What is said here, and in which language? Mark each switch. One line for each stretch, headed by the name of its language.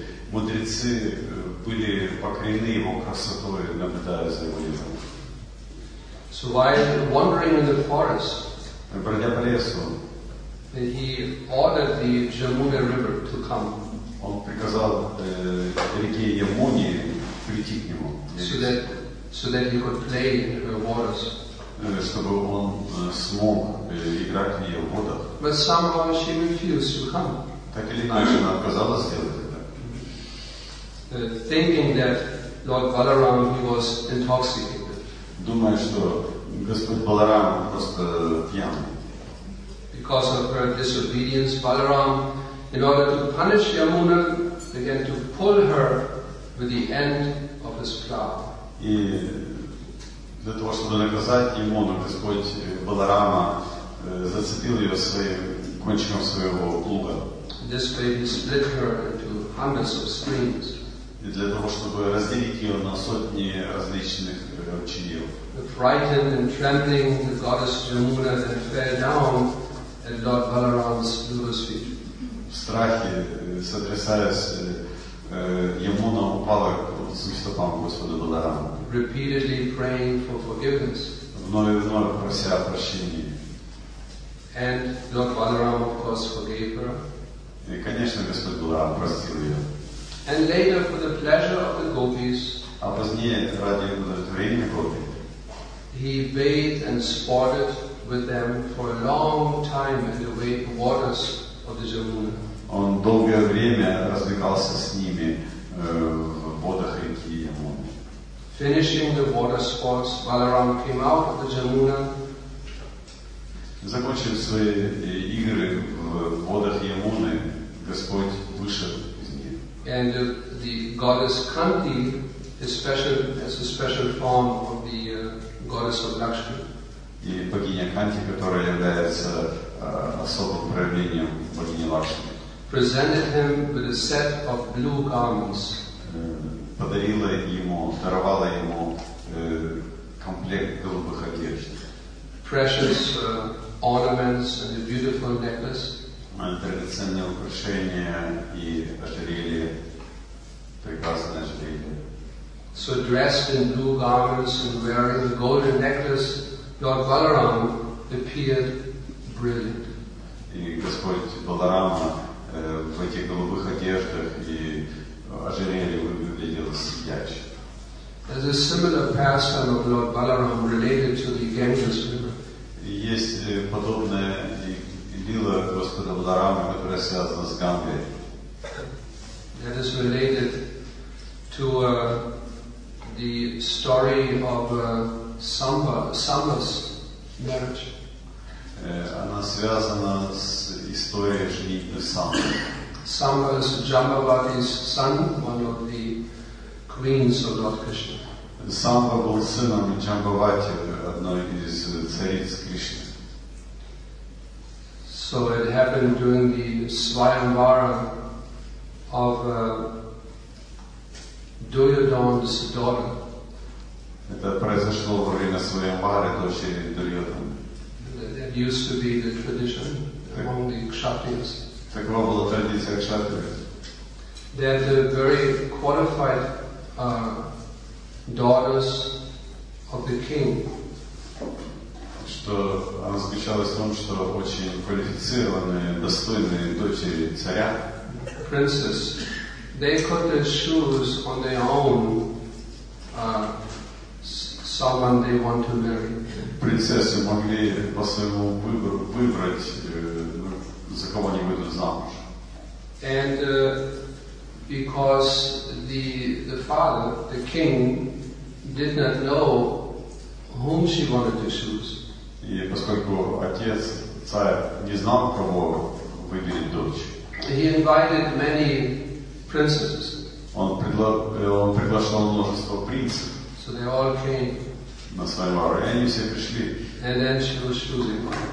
Russian: мудрецы были покорены его красотой, наблюдая за его лицом.
English: So while wandering in the forest,
Russian: пройдя по лесу,
English: he ordered the Jamuna River to come.
Russian: Он приказал реке Ямуне прийти к нему.
English: So that he could play in her waters.
Russian: Чтобы он смог играть в ее водах.
English: But somehow she refused to come.
Russian: Так или иначе, она отказалась сделать это.
English: Thinking that Lord Balaram, he was intoxicated.
Russian: Думаю, что Господь Баларам просто пьян.
English: Because of her disobedience, Balaram, in order to punish Yamuna, began to pull her with the end of his plow.
Russian: И для того, чтобы наказать Ямуну, Господь Баларама зацепил ее своим кончиком своего плуга.
English: This way he split her into hundreds of streams.
Russian: И для того, чтобы разделить ее на сотни различных ручьев.
English: Frightened and trembling, the goddess Yamuna then fell down at Lord Balaram's lotus feet.
Russian: В страхе, сотрясаясь, Ямуна упала к стопам Господа Баларама.
English: Repeatedly praying for forgiveness.
Russian: Вновь и вновь прося прощения.
English: And Lord Balaram, of course, forgave her.
Russian: И, конечно, Господь Баларам простил ее.
English: And later, for the pleasure of the gopis,
Russian: а позднее, ради удовлетворения гопи,
English: he bathed and sported with them for a long time in the waters of the Jamuna.
Russian: Он долгое время развлекался с ними в водах реки Ямуны.
English: Finishing the water sports, Balaram came out of the Jamuna.
Russian: Закончив свои игры в водах Ямуны, Господь вышел из них.
English: And the goddess Kanti is special, as a special form of the goddess of Lakshmi.
Russian: И богиня Канти, которая является особым проявлением богини Лакшми.
English: Presented him with a set of blue garments.
Russian: Подарила ему, даровала ему комплект голубых одежд.
English: Precious ornaments and a beautiful necklace.
Russian: Драгоценные украшения и ожерелье, прекрасное ожерелье.
English: So dressed in blue garments and wearing a golden necklace, Lord Balaram appeared brilliant.
Russian: И Господь Баларама в этих голубых одеждах и ожерелье выглядел сияющим.
English: There's a similar pastime of Lord Balaram related to the Ganges River.
Russian: Есть подобная лила Господа Баларамы, которая связана с Гангой.
English: That is related to the story of Samba's marriage.
Russian: Она связана с историей женитьбы Самбы.
English: Samba is Jambavati's son, one of the queens of Lord Krishna.
Russian: Самба был сыном Джамбавати, одной из цариц Кришны.
English: So it happened during the Svayamvara of Duryodhana's daughter.
Russian: Это произошло во время Свайамвары, дочери Дурьотана.
English: It used to be the tradition among the Kshatriyas.
Russian: Такова была традиция Кшатрия.
English: They had a very qualified daughters of the king.
Russian: Что она заключалась в том, что очень квалифицированные, достойные дочери царя.
English: Princess, they could choose on their own someone they want to marry.
Russian: Принцессы могли по своему выбору выбрать, за кого они выйдут замуж.
English: And because the father, the king, did not know whom she wanted to choose.
Russian: И поскольку отец, царь, не знал, кого выберет дочь.
English: He invited many princesses.
Russian: Он приглашал множество принцев.
English: So they all came.
Russian: На свой вар. И они все пришли.
English: And then she was choosing one.